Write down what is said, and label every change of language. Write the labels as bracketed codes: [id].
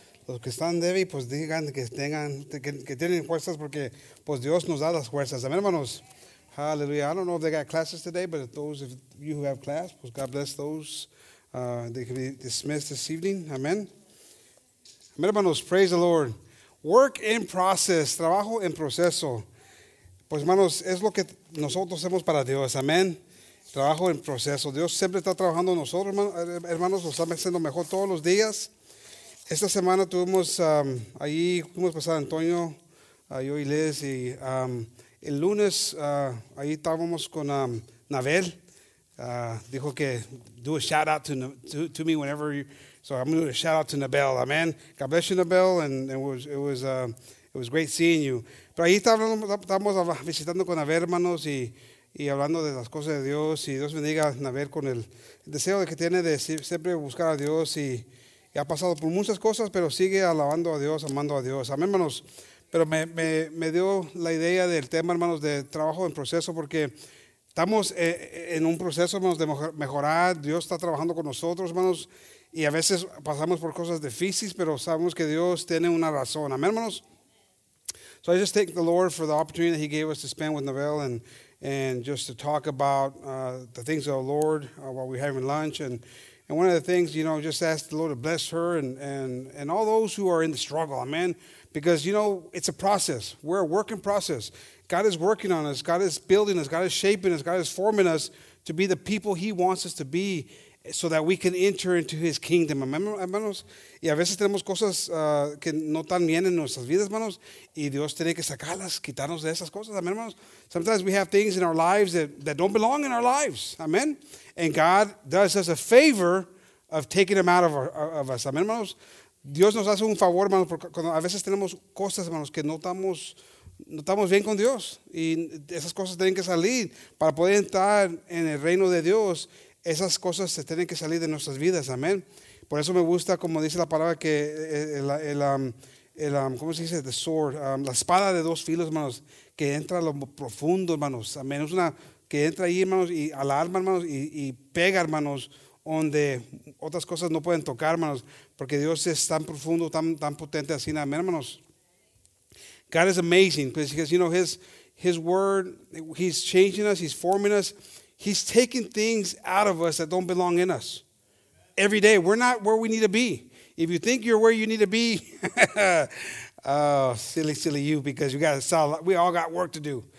[es] Los que están débiles, pues digan que tengan, que tienen fuerzas, porque pues Dios nos da las fuerzas. Amen, hermanos. [en] Hallelujah. I don't know if they got classes today, but those of you who have class, pues God bless those. They can be dismissed this evening. Amen. Amen, hermanos. Praise the Lord. Work in process. [es] Trabajo en proceso. Pues, hermanos, es lo que nosotros hacemos para Dios. Amen. Trabajo en proceso. Dios siempre está trabajando en nosotros, hermanos. Lo está haciendo mejor todos los días. Esta semana tuvimos allí, fuimos a pasar a Antonio, yo y Liz, y el lunes ahí estábamos con Nabel. Dijo que [en] do a shout out to me whenever you, so I'm going to do a shout out to Nabel. Amen. God bless you, Nabel, and it was great seeing you. [es] Pero ahí estábamos visitando con Nabel, hermanos, y hablando de las cosas de Dios, y Dios bendiga a Nabel con el deseo que tiene de siempre buscar a Dios y ha pasado por muchas cosas, pero sigue alabando a Dios, amando a Dios. Amén, hermanos. Pero me dio la idea del tema, hermanos, de trabajo en proceso, porque estamos en un proceso, hermanos, de mejorar. Dios está trabajando con nosotros, hermanos, y a veces pasamos por cosas difíciles, pero sabemos que Dios tiene una razón. Amén, hermanos. [en] So I just thank the Lord for the opportunity that he gave us to spend with Nabel and just to talk about the things of the Lord while we're having lunch. And one of the things, you know, just ask the Lord to bless her and all those who are in the struggle, amen? Because, you know, it's a process. We're a work in process. God is working on us. God is building us. God is shaping us. God is forming us to be the people he wants us to be so that we can enter into his kingdom, amen, hermanos? [es] Y a veces tenemos cosas que no están bien en nuestras vidas, hermanos, y Dios tiene que sacarlas, quitarnos de esas cosas, amen, hermanos? [en] Sometimes we have things in our lives that don't belong in our lives, amen? And God does us a favor of taking them out of us. Amen, hermanos. [es] Dios nos hace un favor, hermanos, porque cuando a veces tenemos cosas, hermanos, que no estamos bien con Dios. Y esas cosas tienen que salir para poder entrar en el reino de Dios. Esas cosas se tienen que salir de nuestras vidas. Amen. Por eso me gusta, como dice la palabra, que ¿cómo se dice? [en] The sword. [es] La espada de dos filos, hermanos, que entra a lo profundo, hermanos. Amen. Es una que entra ahí, hermanos, y alarma, hermanos, y pega, hermanos, donde otras cosas no pueden tocar, hermanos, porque Dios es tan profundo, tan potente así, amén, hermanos. [en] God is amazing, because, you know, his word, he's changing us, he's forming us, he's taking things out of us that don't belong in us. Every day, we're not where we need to be. If you think you're where you need to be, oh, silly you, because you got to sell, we all got work to do.